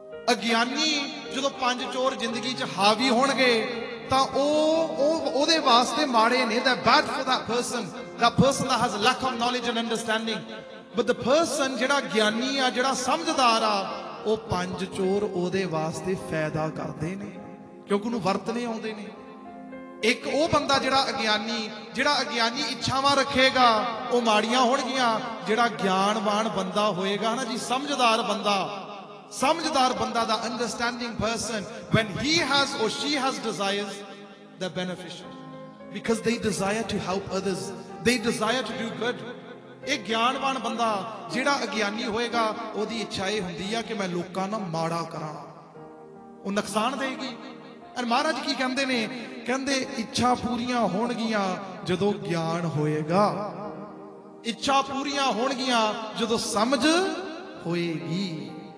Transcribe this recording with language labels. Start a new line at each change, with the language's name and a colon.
Punjabi: ਅਗਿਆਨੀ ਜਦੋਂ ਪੰਜ ਚੋਰ ਜ਼ਿੰਦਗੀ ਚ ਹਾਵੀ ਹੋਣਗੇ ਤਾਂ ਉਹਦੇ ਵਾਸਤੇ ਮਾੜੇ ਨੇ,
English: that bad for that person, that person that has lack of knowledge and understanding, but the person
Punjabi: ਜਿਹੜਾ ਗਿਆਨੀ ਆ, ਜਿਹੜਾ ਸਮਝਦਾਰ ਆ, ਉਹ ਪੰਜ ਚੋਰ ਉਹਦੇ ਵਾਸਤੇ ਫਾਇਦਾ ਕਰਦੇ ਨੇ, ਕਿਉਂਕਿ ਉਹਨੂੰ ਵਰਤਣੇ ਆਉਂਦੇ ਨੇ। ਇੱਕ ਉਹ ਬੰਦਾ ਜਿਹੜਾ ਅਗਿਆਨੀ ਇੱਛਾਵਾਂ ਰੱਖੇਗਾ ਉਹ ਮਾੜੀਆਂ ਹੋਣਗੀਆਂ, ਜਿਹੜਾ ਗਿਆਨਵਾਨ ਬੰਦਾ ਹੋਏਗਾ ਨਾ ਜੀ, ਸਮਝਦਾਰ ਬੰਦਾ, samjhdar banda,
English: the understanding person, when he has or she has desires, they're beneficial. Because they desire to help others. They desire to do good.
Punjabi: ਇਹ ਗਿਆਨਵਾਨ ਬੰਦਾ ਜਿਹੜਾ ਅਗਿਆਨੀ ਹੋਏਗਾ ਉਹਦੀ ਇੱਛਾ ਇਹ ਹੁੰਦੀ ਆ ਕਿ ਮੈਂ ਲੋਕਾਂ ਨਾਲ ਮਾੜਾ ਕਰਾਂ, ਉਹ ਨੁਕਸਾਨ ਦੇਗੀ। ਔਰ ਮਹਾਰਾਜ ਕੀ ਕਹਿੰਦੇ ਨੇ, ਕਹਿੰਦੇ ਇੱਛਾ ਪੂਰੀਆਂ ਹੋਣਗੀਆਂ ਜਦੋਂ ਗਿਆਨ ਹੋਏਗਾ, ਇੱਛਾ ਪੂਰੀਆਂ ਹੋਣਗੀਆਂ ਜਦੋਂ ਸਮਝ ਹੋਏਗੀ।